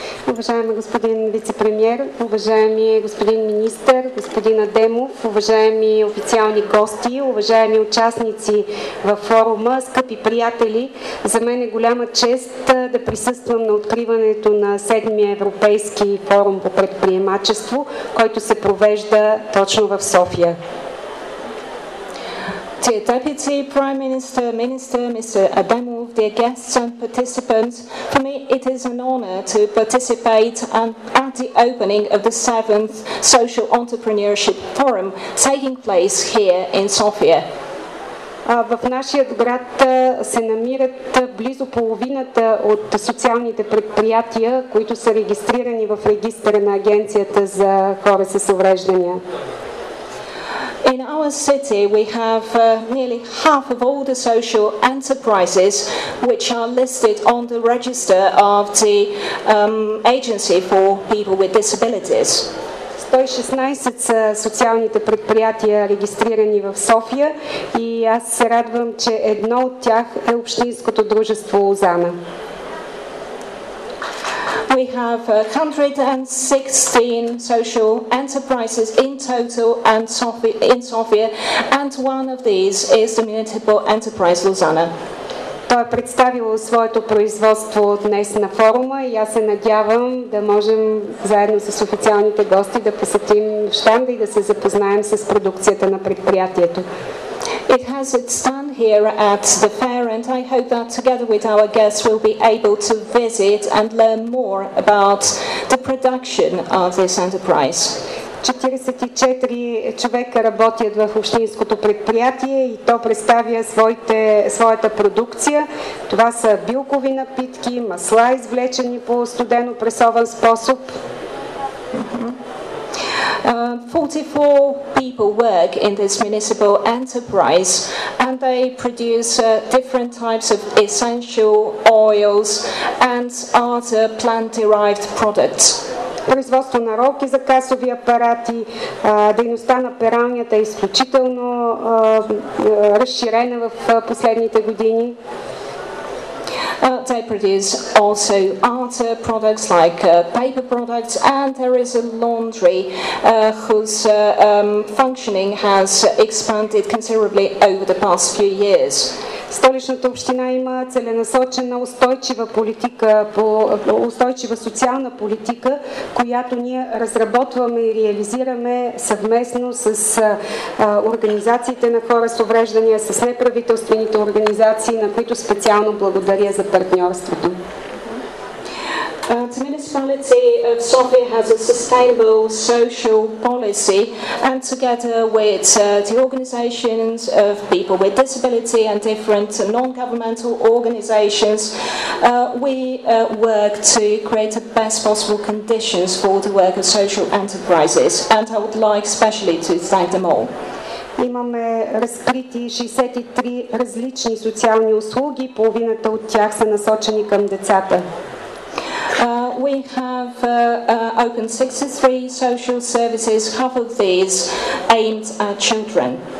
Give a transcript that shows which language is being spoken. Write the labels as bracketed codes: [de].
[bg] Уважаеми господин вицепремьер, уважаеми господин министър, господин Адемов, уважаеми официални гости, уважаеми участници във форума, скъпи приятели, за мен е голяма чест да присъствам на откриването на 7-мия Европейски форум по предприемачество, който се провежда точно в София. [en] Dear Deputy Prime Minister, Minister, Mr. Adamov, dear guests and participants, for me it is an honour to participate at the opening of the 7th Social Entrepreneurship Forum taking place here in Sofia. [bg] В нашия град се намират близо половината от социалните предприятия, които са регистрирани в регистъра на Агенцията за хора с увреждания. [en] In our city, we have nearly half of all the social enterprises which are listed on the register of the Agency for People with Disabilities. [bg] 116 са социалните предприятия, регистрирани в София, и аз се радвам, че едно от тях е Общинското дружество Лозана. [en] We have 116 social enterprises in total and in Sofia, and one of these is the municipal enterprise Lozana. [bg] Той е представил своето производство днес на форума и аз се надявам да можем заедно с официалните гости да посетим щанда и да се запознаем с продукцията на предприятието. [en] It has its stand here at the fair, and I hope that together with our guests we'll be able to visit and learn more about the production of this enterprise. [bg] 44 човека работят в общинското предприятие и то представя своята продукция. Това са билкови напитки, масла, извлечени по студено пресован способ. [en] 44 people work in this municipal enterprise and they produce different types of essential oils and other plant-derived products. [bg] Производство на ролки за касови апарати, дейността на пералнята е изключително разширена в последните години. [en] They produce also art products like paper products, and there is a laundry whose functioning has expanded considerably over the past few years. [bg] Столичната община има целенасочена устойчива политика по устойчива социална политика, която ние разработваме и реализираме съвместно с организациите на хора с увреждания, с неправителствените организации, на които специално благодаря за партньорството. [en] The municipality of Sofia has a sustainable social policy, and together with the organizations of people with disability and different non-governmental organizations, we work to create the best possible conditions for the work of social enterprises, and I would like specially to thank them all. [bg] Имаме разкрити 63 различни социални услуги, половината от тях са насочени към децата. [en] We have opened 63 social services, half of these aimed at children.